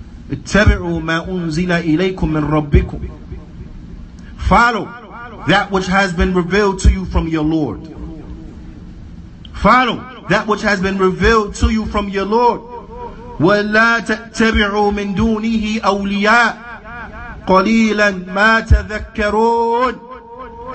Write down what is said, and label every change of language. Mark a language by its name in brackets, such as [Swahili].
[Arabic] اتبعوا ما أنزل إليكم من ربكم. [English] Follow that which has been revealed to you from your Lord. Follow that which has been revealed to you from your Lord. [Arabic] ولا تتبعوا من دونه أولياء قليلا ما تذكرون.